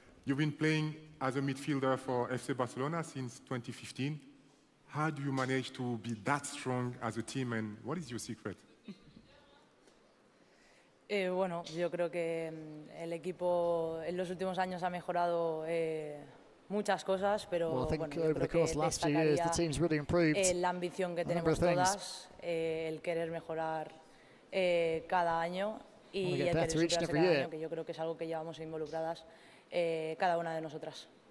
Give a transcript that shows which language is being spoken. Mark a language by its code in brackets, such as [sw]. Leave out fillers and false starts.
[en] You've been playing as a midfielder for FC Barcelona since 2015. How do you manage to be that strong as a team, and what is your secret? [es] Bueno, yo creo que el equipo en los últimos años ha mejorado muchas cosas, pero [en] well, I think [es] bueno, [en] over the course of the last few years, the team's really improved. [es] La ambición que tenemos todas, el querer mejorar cada año y el querer superarse cada año, que yo creo que es algo que llevamos involucradas cada una de nosotras.